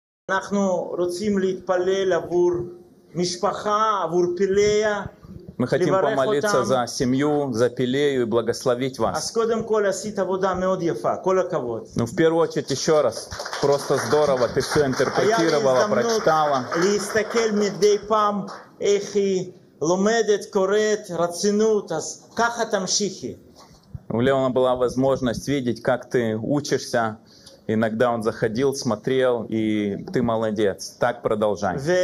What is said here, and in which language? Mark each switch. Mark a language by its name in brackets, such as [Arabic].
[Hebrew] אנחנו רוצים להתפלל עבור משפחה, עבור פלאיה. [Russian] Мы хотим помолиться за семью, за Пелею и благословить вас. [Hebrew] אז קודם כל עשית עבודה מאוד יפה, כל הכבוד. [Russian] Ну, в первую очередь, еще раз, просто здорово, ты все интерпретировала, прочитала. [Hebrew] להסתכל מדי פעם איך היא לומדת, קוראת, רצינות, אז ככה תמשיכי. [Russian] У Леона была возможность видеть, как ты учишься. Иногда он заходил, смотрел, и ты молодец. Так продолжай.